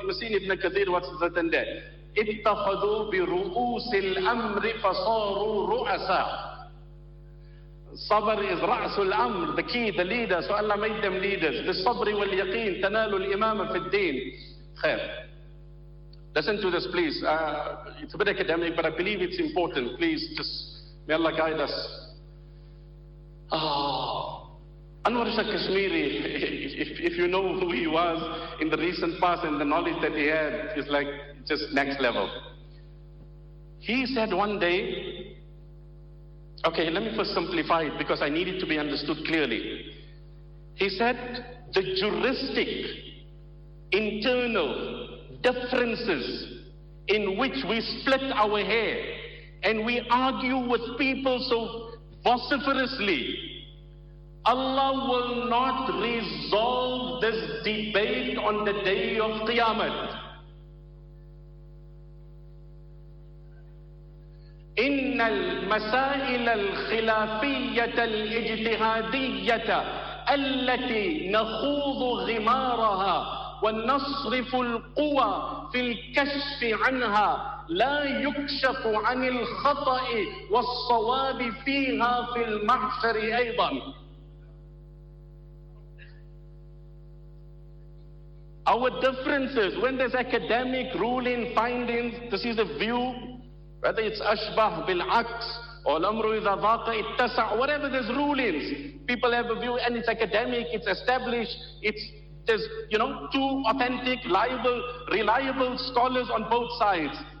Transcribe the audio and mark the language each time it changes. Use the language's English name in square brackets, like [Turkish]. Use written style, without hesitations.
[Arabic] مسيني ابن كثير واتسلتن ده. اتخذوا برؤوس الأمر فصاروا رؤساء. [English] صبر is [Arabic] رأس الأمر, [English] the key, the leader. So Allah made them leaders. [Arabic] بالصبر واليقين تنالوا الإمامة في الدين. [English] خير. Listen to this, please. It's a bit academic, but I believe it's important. Please, just may Allah guide us. Oh, Anwar Shah Kashmiri, if you know who he was in the recent past and the knowledge that he had, is like just next level. He said one day, okay, let me first simplify it because I need it to be understood clearly. He said the juristic, internal differences in which we split our hair and we argue with people so vociferously, Allah will not resolve this debate on the day of Qiyamah. [Arabic] إن المسائل الخلافية الاجتهادية التي نخوض غمارها ونصرف القوى في الكشف عنها لا يكشف عن الخطأ والصواب فيها في المحشر أيضا. [English] Our differences, when there's academic ruling findings, this is a view, whether it's ashbah bil aqs or lamru idha dhaqa ittasa', whatever, there's rulings, people have a view and it's academic, it's established, it's there's, you know, two authentic, reliable scholars on both sides.